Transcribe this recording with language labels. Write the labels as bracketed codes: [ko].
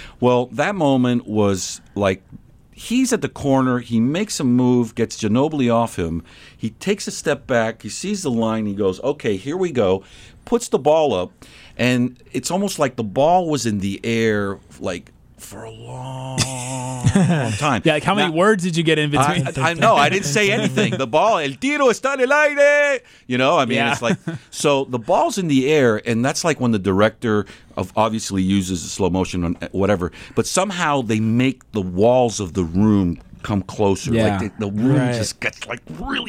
[en] Well, that moment was like, he's at the corner, he makes a move, gets Ginobili off him, he takes a step back, he sees the line, he goes, okay, here we go, puts the ball up. And it's almost like the ball was in the air, like, for a long, long time. Yeah, like how many words did you get in between? I didn't say anything. The ball, [es] el tiro está en el aire. [en] You know, I mean, it's like, so the ball's in the air, and that's like when the director obviously uses the slow motion or whatever. But somehow they make the walls of the room come closer. Yeah. Like the room just gets like really